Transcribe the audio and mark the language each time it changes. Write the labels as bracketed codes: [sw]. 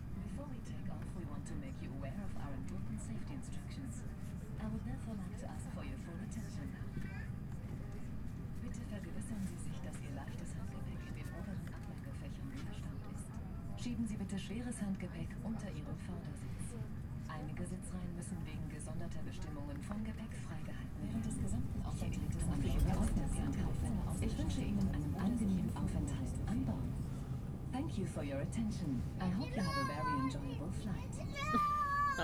[en] Before we take off, we want to make you aware of our important safety instructions. I would therefore like to ask for your full attention. [de] Bitte vergewissern Sie sich, dass Ihr leichtes Handgepäck in den oberen Ablagefächern verstaut ist. Schieben Sie bitte schweres Handgepäck unter Ihren Vordersitz. Einige Sitzreihen müssen wegen gesonderter Bestimmungen vom Gepäck freigehalten werden. Des gesamten Aufenthaltes an Bord. Ich wünsche Ihnen einen angenehmen Aufenthalt an Bord. [en] Thank you for your attention. I hope you have a very enjoyable flight.